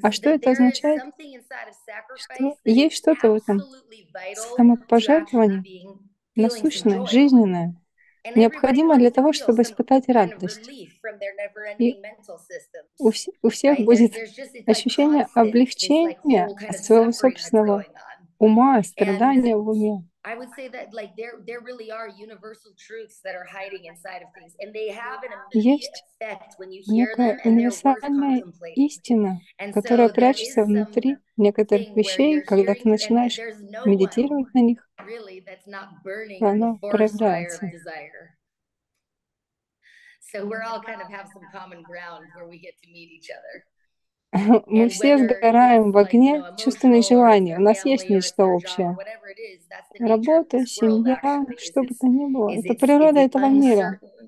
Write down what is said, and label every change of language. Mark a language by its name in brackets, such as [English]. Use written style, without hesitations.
[Russian] А что это означает? Что есть что-то в этом самопожертвовании, насущное, жизненное, необходимое для того, чтобы испытать радость. И у всех будет ощущение облегчения от своего собственного ума, страдания в уме. [English] I would say that like there really are universal truths that are hiding inside of things, and they have an immediate effect when you hear them and they're worth contemplating. And so there is some thing where you're hearing them, and there's no one really that's not burning for fire of desire. So we're all kind of have some common ground where we get to meet each other. [Russian] Мы все сгораем в огне чувственных желаний. У нас есть нечто общее. Работа, семья, что бы то ни было. Это природа этого мира.